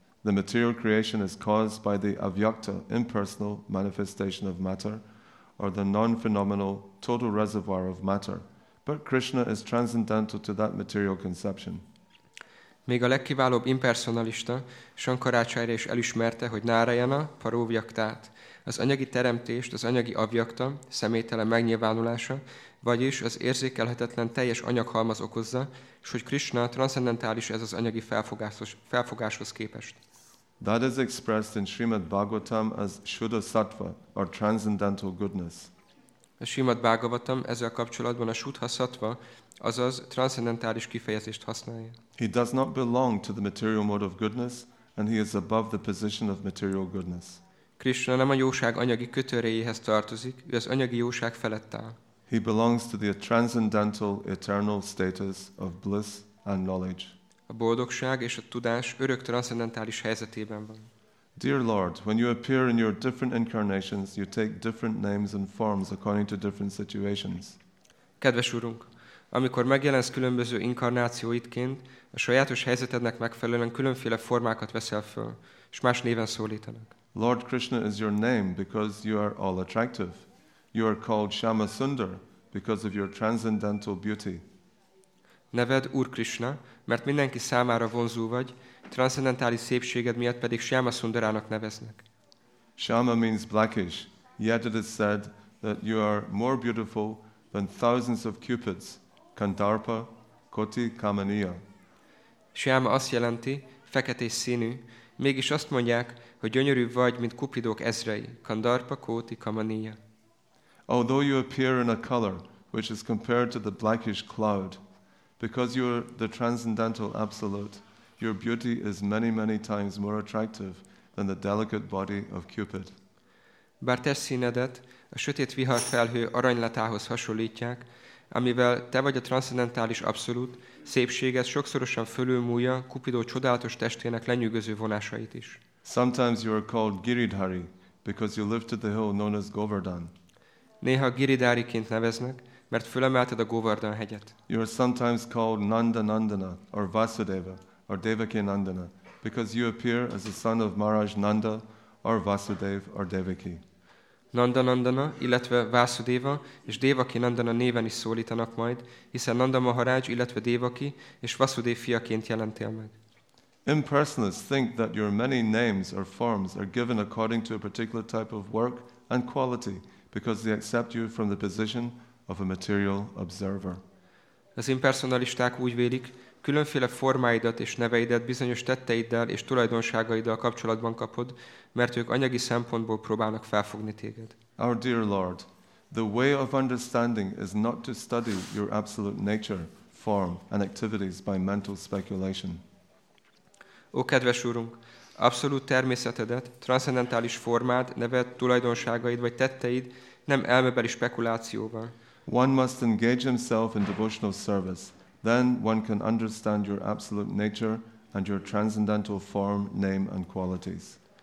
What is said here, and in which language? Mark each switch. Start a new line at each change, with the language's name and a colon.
English: The material creation is caused by the avyakta, impersonal manifestation of matter, or the non-phenomenal total reservoir of matter. But Krishna is transcendental to that material conception.
Hungarian: Még a legkiválóbb impersonalista, Shankaracharya is elismerte, hogy
Sanskrit: Narayana paro vyaktat,
Hungarian: az anyagi teremtést, az anyagi avyakta, személytelen megnyilvánulása, vagyis az érzékelhetetlen teljes anyaghalmaz okozza, és hogy Krishna transzendentális ez az anyagi felfogáshoz képest.
English: That is expressed in Srimad Bhagavatam as Shuddha Sattva, or transcendental goodness.
Hungarian: A Srimad Bhagavatam ezzel kapcsolatban a Shuddha Sattva, azaz transzendentális kifejezést használja.
English: He does not belong to the material mode of goodness, and he is above the position of material goodness.
Hungarian: Krishna nem a jóság anyagi kötőrejéhez tartozik, ő az anyagi jóság felett áll.
English: He belongs to the transcendental eternal status of bliss and knowledge.
Hungarian: A boldogság és a tudás örök transzendentális helyzetében van.
English: Dear Lord, when you appear in your different incarnations, you take different names and forms according to different situations.
Hungarian: Kedves Urunk, amikor megjelensz különböző inkarnációidként, a sajátos helyzetednek megfelelően különféle formákat veszel föl, és más néven szólítanak.
English: Lord Krishna is your name because you are all attractive. You are called Shyama Sundar because of your transcendental beauty.
Hungarian: Neved Úr Krishna, mert mindenki számára vonzó vagy, transzendentális szépséged miatt pedig Shyama Sundarának neveznek.
English: Shyama means blackish, yet it is said that you are more beautiful than thousands of cupids, Kandarpa, Koti, Kamaniya.
Hungarian: Shyama azt jelenti, feketés színű, mégis azt mondják, hogy gyönyörű vagy, mint kupidók ezrei, Kandarpa, Koti, Kamaniya.
English: Although you appear in a color which is compared to the blackish cloud, because you are the transcendental absolute, your beauty is many, many times more attractive than the delicate body of Cupid.
Hungarian: Bár te színedet a sötét viharfelhő aranylatához hasonlítják, amivel te vagy a transzendentális abszolút, szépséged sokszorosan fölülmúlja Cupidó csodálatos testének lenyűgöző vonásait is.
English: Sometimes you are called Giridhari because you lifted the hill known as Govardhan.
Hungarian: Néha Giridhariként neveznek, mert fölemelted a Govardhan hegyet.
English: You are sometimes called Nanda Nandana or Vasudeva or Devaki Nandana because you appear as the son of Maharaj Nanda or Vasudev or Devaki.
Hungarian: Nanda Nandana, illetve Vasudeva és Devaki Nandana néven is szólítanak majd, hiszen Nanda Maharaj, illetve Devaki és Vasudev fiaként jelentél meg.
English: Impersonalists think that your many names or forms are given according to a particular type of work and quality because they accept you from the position of a material observer.
Hungarian: Az impersonalisták úgy vélik, különféle formáidat és neveidet bizonyos tetteiddel és tulajdonságaiddal kapcsolatban kapod, mert ők anyagi szempontból próbálnak felfogni téged.
English: Our dear Lord, the way of understanding is not to study your absolute nature, form and activities by mental speculation.
Hungarian: Ó, kedves Úrunk, abszolút természetedet, transzcendentális formád, neved, tulajdonságaid vagy tetteid nem elmebeli spekulációval.
English: One must engage himself in devotional service. Then one can understand your absolute nature and your transcendental form, name and qualities.